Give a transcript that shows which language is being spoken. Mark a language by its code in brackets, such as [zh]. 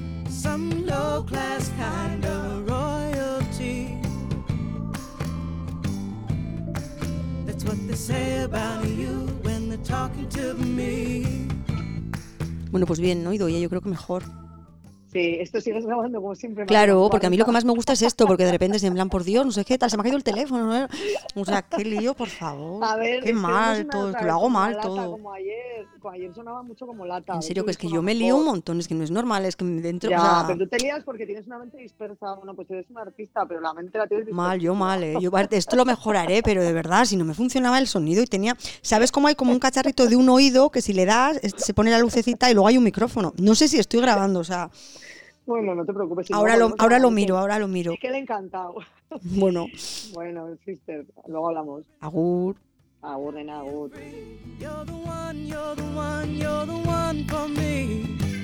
[en] Some low class kind of royalty. That's what they say about you when they're talking to me. [es] Bueno, pues bien, ¿no? Idoia, yo creo que mejor. Sí, esto sigues grabando como siempre. Claro, porque a mí lo que más me gusta es esto, porque de repente es en plan, por Dios, no sé qué tal, se me ha caído el teléfono, ¿no? O sea, qué lío, por favor. A ver, qué mal todo, que lo hago mal todo. Como ayer sonaba mucho como lata. En serio, que es que yo me lío un montón, es que no es normal, es que dentro... Ya, o sea, pero tú te lías porque tienes una mente dispersa, bueno, pues eres un artista, pero la mente la tienes dispersa. Yo esto lo mejoraré, pero de verdad, si no me funcionaba el sonido y tenía... ¿Sabes cómo hay como un cacharrito de un oído que si le das, se pone la lucecita y luego hay un micrófono? No sé si estoy grabando, o sea... Bueno, no te preocupes. Ahora lo miro. Es que le he encantado. Bueno. Bueno, sister, luego hablamos. Agur. Agur, nena, agur. [en] You're the one, you're the one, you're the one for me.